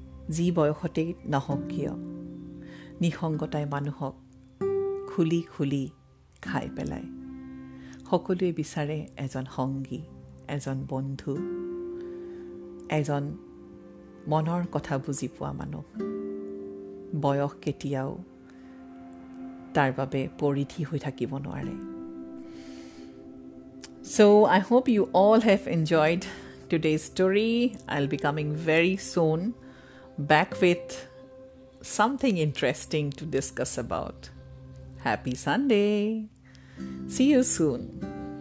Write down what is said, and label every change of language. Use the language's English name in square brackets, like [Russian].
[Assamese] যি বয়সতেই নহওক কিয়, নিসংগতাই মানুহক খুলি খুলি খাই পেলায়। সকলোৱে বিচাৰে এজন সংগী, এজন বন্ধু, এজন মনৰ কথা বুজি পোৱা মানুহ। বয়স কেতিয়াও তাৰ বাবে পৰিধি হৈ থাকিব নোৱাৰে। [English] So I hope you all have enjoyed today's story. I'll be coming very soon back with something interesting to discuss about. Happy Sunday! See you soon!